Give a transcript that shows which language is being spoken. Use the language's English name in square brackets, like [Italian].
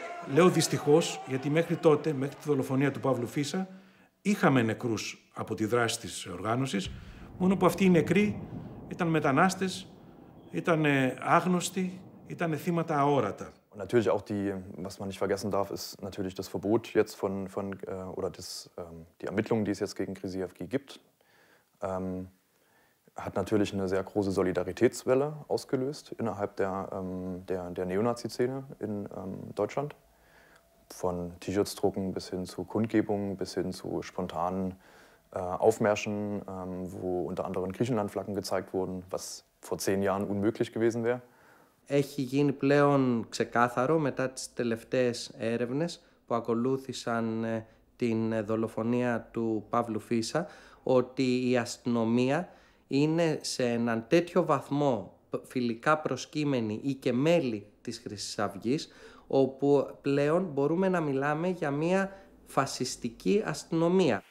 [Greek] Λέω δυστυχώς, γιατί μέχρι τότε, μέχρι τη δολοφονία του Παύλου Φίσα, είχαμε νεκρούς από τη δράση της οργάνωσης, μόνο που αυτοί οι νεκροί ήταν μετανάστες, ήταν άγνωστοι, ήταν θύματα αόρατα. [German] Natürlich auch die, was man nicht vergessen darf, ist natürlich das Verbot jetzt von oder das die Ermittlungen, die es jetzt gegen Krisievki gibt, hat natürlich eine sehr große Solidaritätswelle ausgelöst innerhalb der Neonazi-Szene in Deutschland. Von T-Shirts drucken bis hin zu Kundgebungen, bis hin zu spontanen Aufmärschen, wo unter anderem Griechenlandflaggen gezeigt wurden, was vor 10 Jahren unmöglich gewesen wäre. [Greek] Έχει γίνει πλέον ξεκάθαρο μετά τις τελευταίες έρευνες που ακολούθησαν την δολοφονία του Παύλου Φίσα ότι η αστυνομία είναι σε έναν τέτοιο βαθμό φιλικά προσκύμενη ή και μέλη της Χρυσής Αυγής, όπου πλέον μπορούμε να μιλάμε για μια φασιστική αστυνομία.